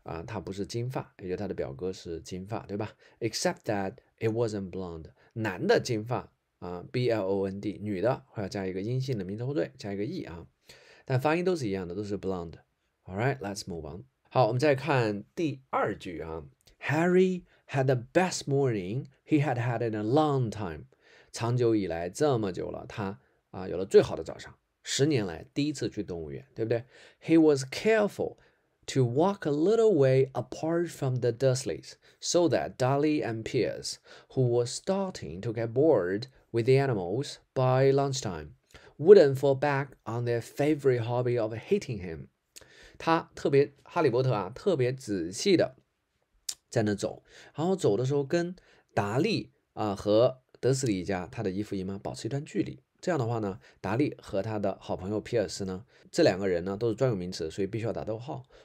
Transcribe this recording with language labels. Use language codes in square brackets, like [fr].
[zh] 他不是金发，也就他的表哥是金发对吧， [en] except that it wasn't blonde， [zh] 男的金发BLOND， 女的会要加一个阴性的名词后缀加一个 e 啊，但发音都是一样的，都是 blonde。 [en] All right, let's move on。 [zh] 好，我们再看第二句啊。 [en] Harry had the best morning he had had in a long time。 [zh] 长久以来，这么久了，他有了最好的早上。十年来第一次去动物园，对不对 [en] ？He was careful， to walk a little way apart from the Dursleys so that Dolly and Piers, who were starting to get bored with the animals by lunchtime, wouldn't fall back on their favorite hobby of hating him. [zh] 他特别哈利波特啊，特别仔细的在那走，然后走的时候跟达利啊和德斯里一家他的姨父姨妈保持一段距离。这样的话呢，达利和他的好朋友皮尔斯呢，这两个人呢都是专有名词，所以必须要打逗号。